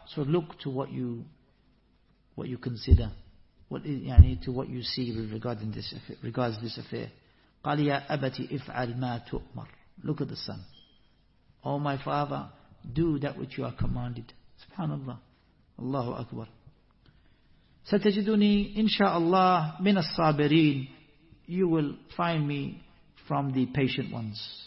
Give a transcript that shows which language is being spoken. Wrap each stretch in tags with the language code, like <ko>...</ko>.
<en>So look to what you consider, to what you see regarding this affair.</en> <ar>قال يا أبتي افعل ما تؤمر.</ar> <en>Look at the son. Oh my father, do that which you are commanded.</en> <ar>Subhanallah. Allahu Akbar. ستجدني إن شاء الله من الصابرين.</ar> <en>You will find me from the patient ones.</en>